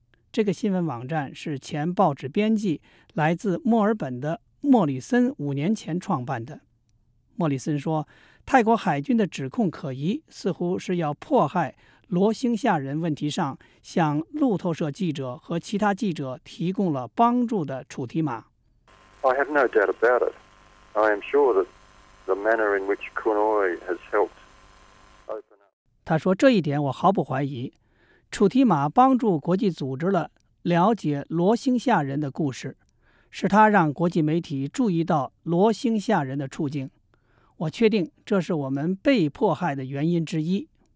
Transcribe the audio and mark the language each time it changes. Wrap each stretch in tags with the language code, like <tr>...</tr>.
<zh>这个新闻网站是前报纸编辑来自墨尔本的莫里森五年前创办的。莫里森说，泰国海军的指控可疑，似乎是要迫害罗兴亚人问题上向路透社记者和其他记者提供了帮助的楚提马。</zh> <en>I have no doubt about it. I am sure that the manner in which Kunoi has helped open up.</en> <zh>他说这一点我毫不怀疑。楚提马帮助国际组织了了解罗兴亚人的故事，是他让国际媒体注意到罗兴亚人的处境。我确定这是我们被迫害的原因之一。</zh>